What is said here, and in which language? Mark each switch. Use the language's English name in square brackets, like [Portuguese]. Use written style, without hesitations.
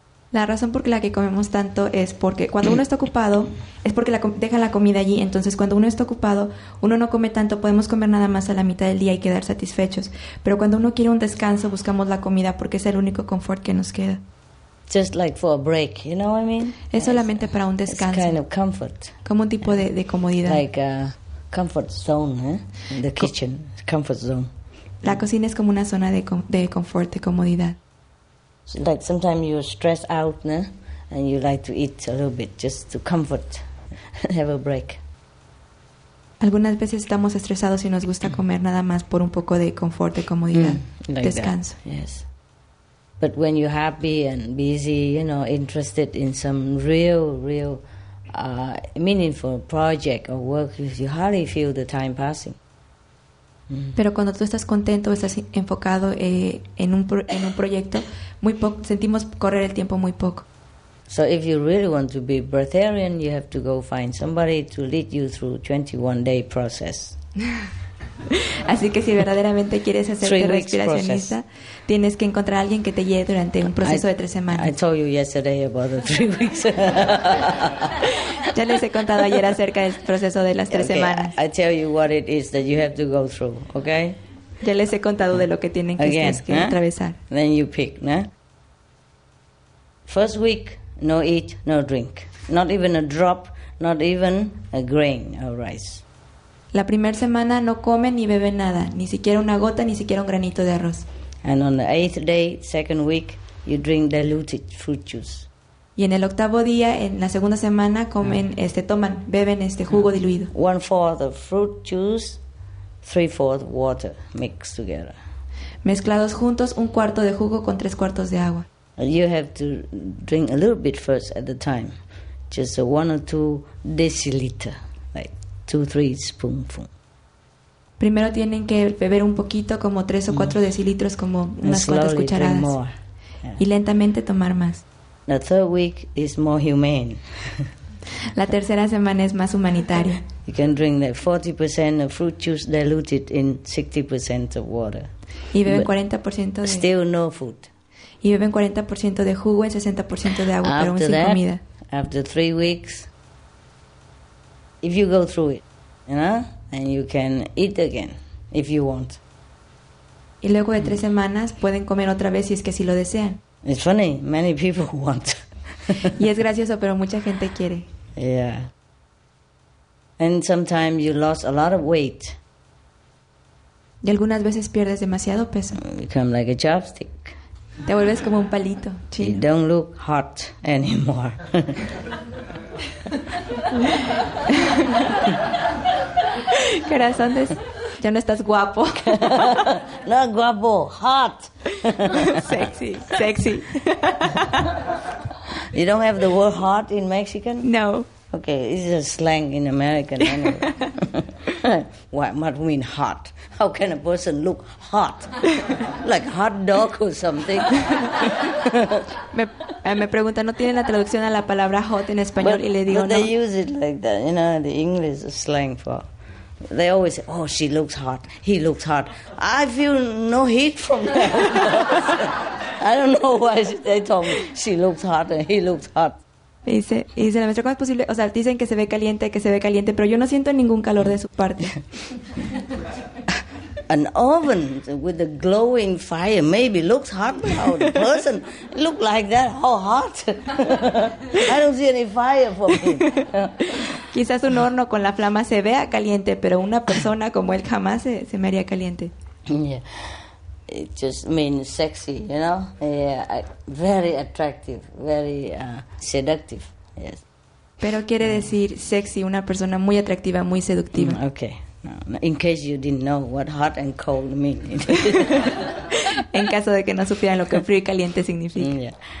[Spanish] La razón por la que comemos tanto es porque cuando uno está ocupado, es porque deja la comida allí. Entonces, cuando uno está ocupado, uno no come tanto. Podemos comer nada más a la mitad del día y quedar satisfechos. Pero cuando uno quiere un descanso, buscamos la comida porque es el único confort que nos queda. [English] Just like for a break, you know what I mean? [Spanish] Es solamente para un descanso. [English] It's kind of comfort. [Spanish] Como un tipo de comodidad. [English] Like a comfort zone, eh? The kitchen, comfort zone. [Spanish] La cocina es como una zona de confort, de comodidad. [English] Like sometimes you're stressed out, no? And you like to eat a little bit just to comfort, have a break. [Spanish] Algunas veces estamos estresados y nos gusta comer nada más por un poco de confort, de comodidad, [English] like [Spanish] descanso. [English] That. Yes. But when you're happy and busy, you know, interested in some real, real meaningful project or work, you hardly feel the time passing. [Spanish] Pero cuando tú estás contento, estás enfocado en un proyecto, sentimos correr el tiempo muy poco. [English] So if you really want to be breatharian, you have to go find somebody to lead you through 21-day process. [Spanish] Así que si verdaderamente quieres hacerte respiracionista, tienes que encontrar a alguien que te lleve durante un proceso de 3 semanas. [English] I told you yesterday about the 3 weeks. [Spanish] Ya les he contado ayer acerca del proceso de las 3 semanas. [English] I tell you what it is that you have to go through, okay? [Spanish] Ya les he contado de lo que tienen que atravesar. [English] Then you pick, ¿no? First week, no eat, no drink. Not even a drop, not even a grain of rice. [Spanish] La primera semana no come ni bebe nada, ni siquiera una gota, ni siquiera un granito de arroz. [English] And on the 8th day, second week, you drink diluted fruit juice. [Spanish] Y en el octavo día, en la segunda semana, comen, beben este jugo diluido. [English] 1/4 of fruit juice, 3/4 water mixed together. [Spanish] Mezclados juntos, 1/4 de jugo con 3/4 de agua. [English] You have to drink a little bit first at the time, just a 1 or 2 deciliter. 2-3 spoonful. [Spanish] Primero tienen que beber un poquito, como 3 o 4 decilitros, como unas cuantas cucharadas. [English] Drink more. [Spanish] Y lentamente tomar más. [English] The third week is more humane. [Spanish] La tercera semana es más humanitaria. [English] You can drink like 40% of fruit juice diluted in 60% of water. [Spanish] Y beben 40% de. [English] Still no food. [Spanish] Y beben 40% de jugo y 60% de agua, pero aún [English] that, [Spanish] sin comida. [English] After 3 weeks. If you go through it, you know, and you can eat again if you want. [Spanish] Y luego de 3 semanas pueden comer otra vez si es que sí lo desean. [English] It's funny, many people want. [Spanish] Y es gracioso, pero mucha gente quiere. [English] Yeah. And sometimes you lost a lot of weight. [Spanish] Y algunas veces pierdes demasiado peso. [English] You become like a chopstick. [Spanish] Te vuelves como un palito. Chino. [English] You don't look hot anymore. [Spanish] Corazón, ya no estás guapo. No guapo, hot. [English] Sexy. You don't have the word hot in Mexican? No. Okay, this is a slang in American anyway. What do you mean hot? How can a person look hot? Like hot dog or something? [Spanish] Me pregunta, ¿no tienen la traducción a la palabra hot en español? [English] But, [Spanish] y le digo [English] but they [Spanish] no. [English] They use it like that, you know, the English slang for. They always say, oh, she looks hot, he looks hot. I feel no heat from that. I don't know why they told me she looks hot and he looks hot. [Spanish] Dice la maestra, ¿cómo es posible? O sea, dicen que se ve caliente, pero yo no siento ningún calor de su parte. [English] An oven with a glowing fire maybe looks hot, but how the person look like that, how hot? I don't see any fire for him. [Spanish] Quizás un horno con la flama se vea caliente, pero una persona como él jamás se me haría caliente. [English] Yeah. It just means sexy, you know? Yeah, very attractive, very seductive, yes. [Spanish] Pero quiere decir sexy, una persona muy atractiva, muy seductiva. [English] Okay, no, in case you didn't know what hot and cold mean. [Spanish] En caso de que no supieran lo que frío y caliente significa.